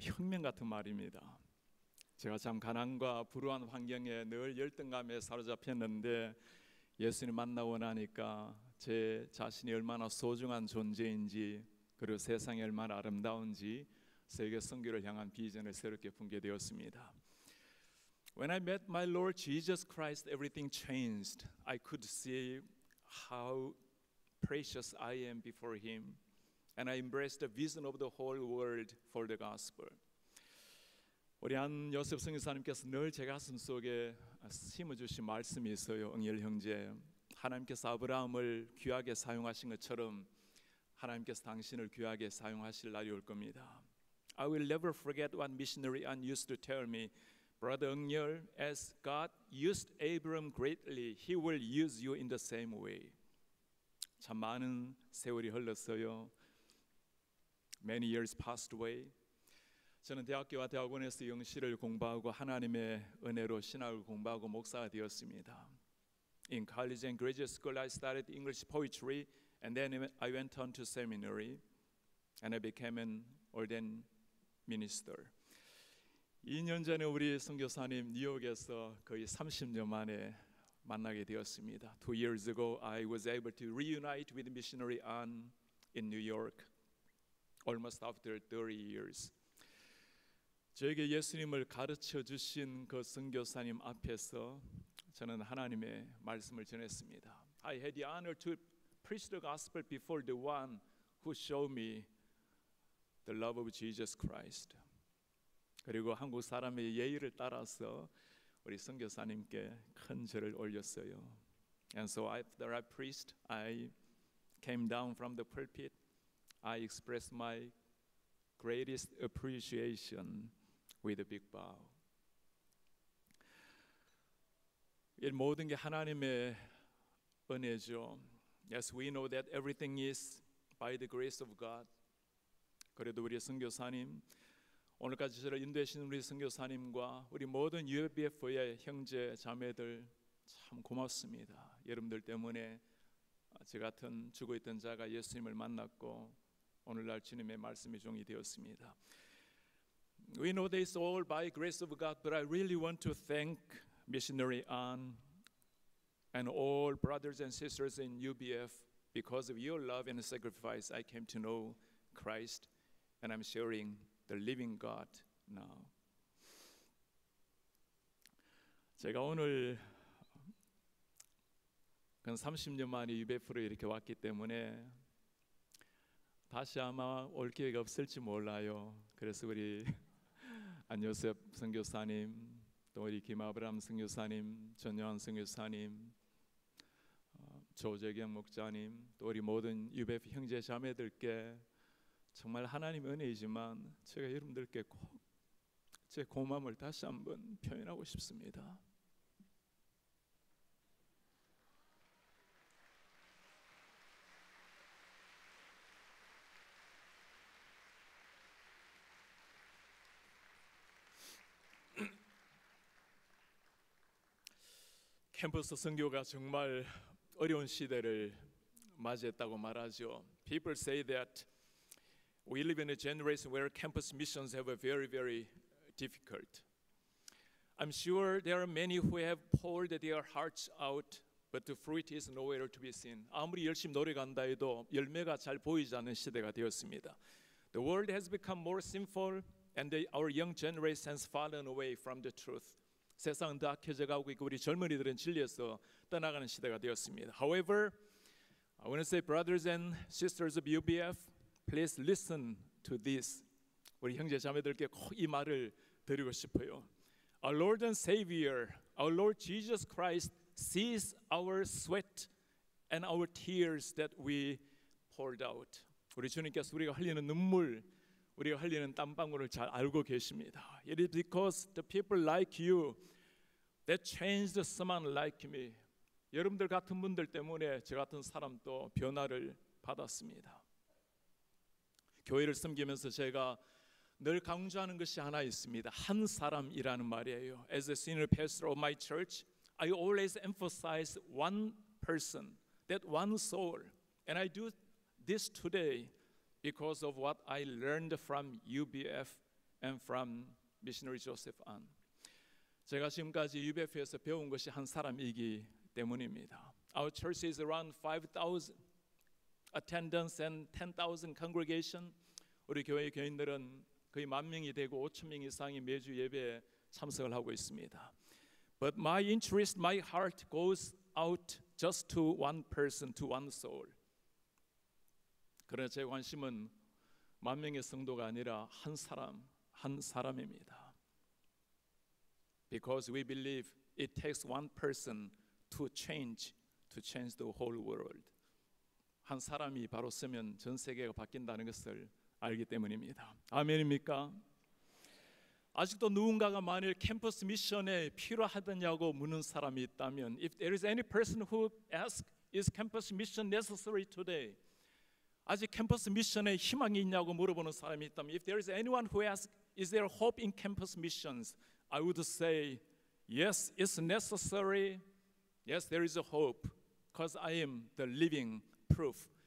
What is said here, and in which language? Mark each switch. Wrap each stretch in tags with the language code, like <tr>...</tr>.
<ko>혁명 같은 말입니다. 제가 참 가난과 불우한 환경에 늘 열등감에 사로잡혔는데 예수님 만나고 나니까 제 자신이 얼마나 소중한 존재인지, 그리고 세상이 얼마나 아름다운지, 세계 선교를 향한 비전을 새롭게 품게 되었습니다.</ko> <en>When I met my Lord Jesus Christ, everything changed. I could see how precious I am before him, and I embraced the vision of the whole world for the gospel.</en> <ko>우리 안 요셉 선교사님께서 늘 제 가슴 속에 심어주신 말씀이 있어요. 응일 형제, 하나님께서 아브라함을 귀하게 사용하신 것처럼 하나님께서 당신을 귀하게 사용하실 날이 올 겁니다.</ko> <en>I will never forget what missionary An used to tell me, "Brother Eungyeol, as God used Abram greatly, he will use you in the same way."</en> <ko>참 많은 세월이 흘렀어요.</ko> <en>Many years passed away.</en> <ko>저는 대학교와 대학원에서 영시를 공부하고 하나님의 은혜로 신학을 공부하고 목사가 되었습니다.</ko> <en>In college and graduate school, I studied English poetry, and then I went on to seminary, and I became an ordained minister.</en> <ko>2년 전에 우리 선교사님 뉴욕에서 거의 30년 만에 만나게 되었습니다.</ko> <en>Two years ago, I was able to reunite with missionary An in New York, almost after 30 years.</en> <ko>저에게 예수님을 가르쳐 주신 그 선교사님 앞에서 저는 하나님의 말씀을 전했습니다.</ko> <en>I had the honor to preach the gospel before the one who showed me the love of Jesus Christ.</en> <ko>그리고 한국 사람의 예의를 따라서 우리 선교사님께 큰 절을 올렸어요.</ko> <en>And so after I preached, I came down from the pulpit. I expressed my greatest appreciation with a big bow.</en> <ko>이 모든 게 하나님의 은혜죠.</ko> <en>Yes, we know that everything is by the grace of God.</en> <ko>그래도 우리 선교사님, 오늘까지 저를 인도해 주신 우리 선교사님과 우리 모든 UFBF의 형제, 자매들, 참 고맙습니다. 여러분들 때문에 저 같은 죽어 있던 자가 예수님을 만났고 오늘날 주님의 말씀의 종이 되었습니다.</ko> <en>We know this all by grace of God, but I really want to thank missionary Ahn and all brothers and sisters in UBF because of your love and sacrifice I came to know Christ and I'm sharing the living God now.</en> <ko>제가 오늘 그 30년 만에 UBF로 이렇게 왔기 때문에 다시 아마 올 기회가 없을지 몰라요. 그래서 우리 안요셉 선교사님, 또 우리 김아브람 선교사님, 전요한 선교사님, 조재경 목자님, 또 우리 모든 UBF 형제 자매들께 정말 하나님 은혜이지만 제가 여러분들께 꼭 제 고마움을 다시 한번 표현하고 싶습니다. 캠퍼스 선교가 정말 어려운 시대를 맞이했다고 말하죠.</ko> <en>People say that we live in a generation where campus missions have a very, very difficult. I'm sure there are many who have poured their hearts out, but the fruit is nowhere to be seen.</en> <ko>아무리 열심히 노력한다 해도 열매가 잘 보이지 않는 시대가 되었습니다.</ko> <en>The world has become more sinful, and our young generation has fallen away from the truth.</en> <ko>세상은 더 악해져 가고 있고 우리 젊은이들은 진리에서 떠나가는 시대가 되었습니다.</ko> <en>However, I want to say brothers and sisters of UBF, please listen to this.</en> <ko>우리 형제 자매들께 꼭 이 말을 드리고 싶어요.</ko> <en>Our Lord and Savior, our Lord Jesus Christ sees our sweat and our tears that we poured out.</en> <ko>우리 주님께서 우리가 흘리는 눈물, 우리가 흘리는 땀방울을 잘 알고 계십니다.</ko> <en>It is because the people like you that changed someone like me.</en> <ko>여러분들 같은 분들 때문에 저 같은 사람도 변화를 받았습니다. 교회를 섬기면서 제가 늘 강조하는 것이 하나 있습니다. 한 사람이라는 말이에요.</ko> <en>As a senior pastor of my church, I always emphasize one person, that one soul. And I do this today because of what I learned from UBF and from missionary Joseph Ahn.</en> <ko>제가 지금까지 UBF에서 배운 것이 한 사람이기 때문입니다.</ko> <en>Our church is around 5,000 attendance and 10,000 congregation.</en> <ko>우리 교회의 교인들은 거의 만 명이 되고 5천 명 이상이 매주 예배에 참석을 하고 있습니다.</ko> <en>But my interest, my heart goes out just to one person, to one soul.</en> <ko>그러나 제 관심은 만 명의 성도가 아니라 한 사람, 한 사람입니다.</ko> <en>Because we believe it takes one person to change the whole world.</en> <ko>한 사람이 바로 쓰면 전 세계가 바뀐다는 것을 알기 때문입니다. 아멘입니까? 아직도 누군가가 만일 캠퍼스 미션에 필요하다냐고 묻는 사람이 있다면,</ko> <en>if there is any person who asks, is campus mission necessary today?</en> <ko>아직 캠퍼스 미션에 희망이 있냐고 물어보는 사람이 있다면,</ko> <en>if there is anyone who asks, is there hope in campus missions? I would say, yes, it's necessary. Yes, there is a hope, because I am the living proof.</en>